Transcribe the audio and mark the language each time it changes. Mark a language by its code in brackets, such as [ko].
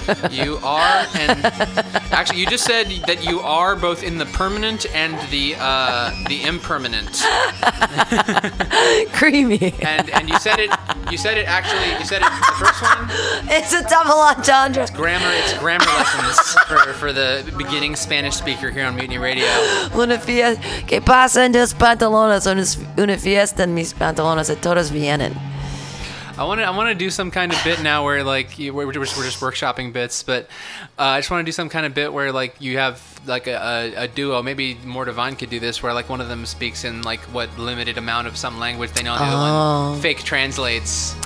[en] You are, and actually, you just said that you are both in the permanent and the impermanent. Creamy. And you said it the first one. It's a double entendre. It's grammar lessons for the beginning Spanish speaker here on Mutiny Radio. [es] Una fiesta que pasa en tus pantalones, una fiesta en mis pantalones, y todos vienen. [en] I want to do some kind of bit now where like we're just workshopping bits, but I just want to do some kind of bit where like you have like a duo. Maybe more divine could do this, where like one of them speaks in like what limited amount of some language they know, and the other one fake translates.